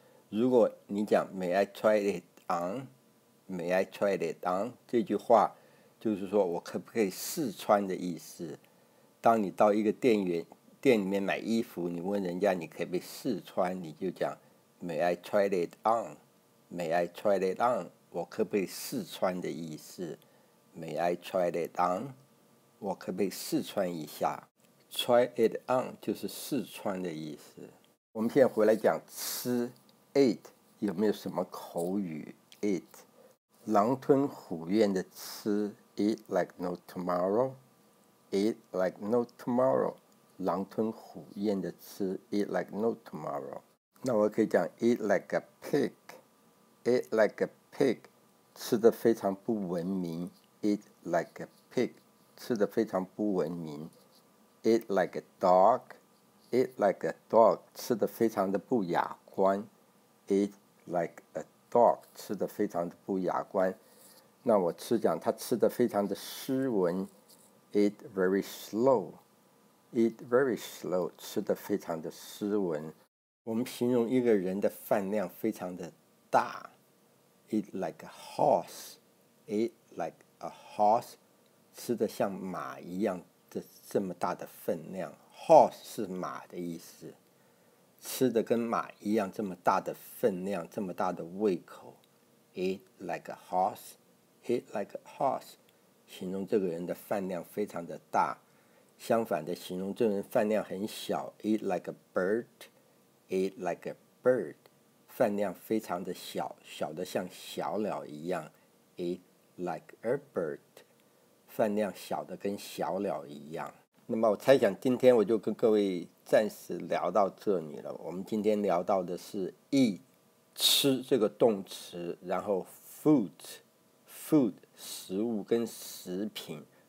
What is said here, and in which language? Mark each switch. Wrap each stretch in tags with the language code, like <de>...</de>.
<zh>如果你讲</zh> <en>May I try it on? May I try it on?</en> <zh>这句话就是说我可不可以试穿的意思。当你到一个店里面买衣服，你问人家你可不可以试穿，你就讲</zh> <en>May I try it on?</en> <zh>May I try it on? 我可不可以试穿的意思。</zh> <en>May I try it on?</en> <zh>我可不可以试穿一下。</zh> <en>Try it on</en> <zh>就是试穿的意思。我们现在回来讲吃 ，eat 有没有什么口语 ？eat， 狼吞虎咽的吃 ，</zh> <en>eat like no tomorrow， eat like no tomorrow，</en> <zh>狼吞虎咽的吃 ，</zh> <en>eat like no tomorrow。</en> <zh>那我可以讲</zh> <en>eat like a pig， eat like a pig，</en> <zh>吃得非常不文明</zh> <en>，eat like a pig， 吃得非常不文明 ，eat like a dog。 Eat like a dog,</en> <zh>吃得非常的不雅观。</zh> <en>Eat like a dog,</en> <zh>吃得非常的不雅观。那我吃讲他吃得非常的斯文。</zh> <en>Eat very slow. Eat very slow,</en> <zh>吃得非常的斯文。我们形容一个人的饭量非常的大。</zh> <en>Eat like a horse. Eat like a horse,</en> <zh>吃得像马一样的这么大的分量。 Horse 是马的意思，吃的跟马一样这么大的分量，这么大的胃口。</zh> <en>Eat like a horse, eat like a horse，</en> <zh>形容这个人的饭量非常的大。相反的，形容这个人饭量很小。</zh> <en>Eat like a bird, eat like a bird，</en> <zh>饭量非常的小，小的像小鸟一样。</zh> <en>Eat like a bird，</en> <zh>饭量小的跟小鸟一样。那么我猜想今天我就跟各位暂时聊到这里了。我们今天聊到的是 eat 吃这个动词，然后 food 食物跟食品。</zh>